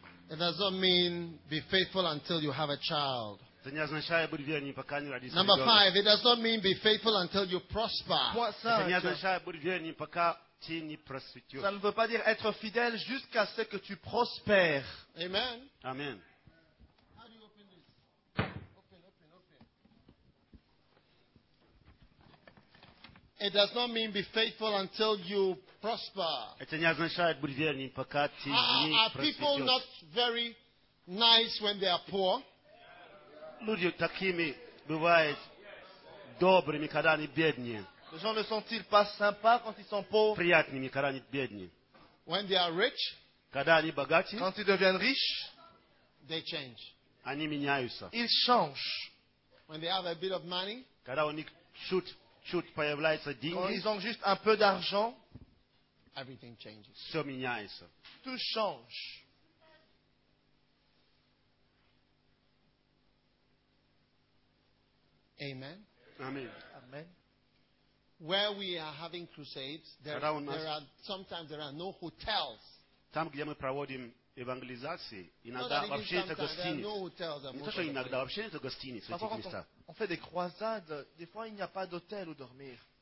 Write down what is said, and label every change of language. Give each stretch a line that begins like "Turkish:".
English: It does not mean be faithful until you have a child. Number five, it does not mean be faithful until you prosper.
French: Ça ne veut pas dire être fidèle jusqu'à ce que tu prospères.
English: Amen. Amen. It does not mean be faithful until you prosper. Are people not very nice when they are poor?
Russian: Люди такими бывают добрыми, когда они бедные.
French: Les gens ne sont-ils pas sympas quand ils sont pauvres?
Russian: Приятными, когда они бедные.
English: When they are rich,
Russian: когда они богаты,
French: quand ils deviennent riches,
English: they change.
Russian: Они меняются.
French: Ils changent.
English: When they have a bit of money,
Russian: когда у них чуть-чуть появляется деньги,
French: quand ils ont juste un peu d'argent,
English: everything changes.
Russian: Все меняется.
French: Tout change.
English: Amen. Amen. Amen. Where we are having crusades, there are sometimes no hotels.
Russian: Там, где мы проводим евангелизации, иногда вообще нет гостиниц.
English: No hotels.
Russian: Не то, что иногда вообще нет гостиниц в этих местах.
French: On fait des croisades, des fois il n'y a pas d'hôtel où dormir.